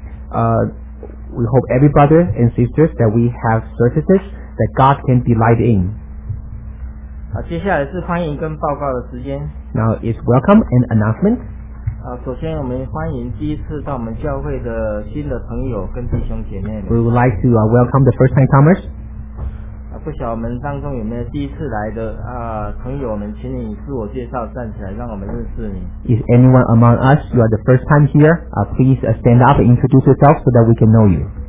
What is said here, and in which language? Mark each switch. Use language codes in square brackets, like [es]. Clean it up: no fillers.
[en] We hope every brother and sisters that we have services that God can delight in. [zh] 接下来是欢迎跟报告的时间。 [en] Now it's welcome and announcement. [zh] 首先我们欢迎第一次到我们教会的新的朋友跟弟兄姐妹。 [en] We would like to welcome the first time comers. [zh] 不晓得我们当中有没有第一次来的朋友们，请你自我介绍，站起来让我们认识你。 [en] Is anyone among us, you are the first time here, please stand up and introduce yourself so that we can know you.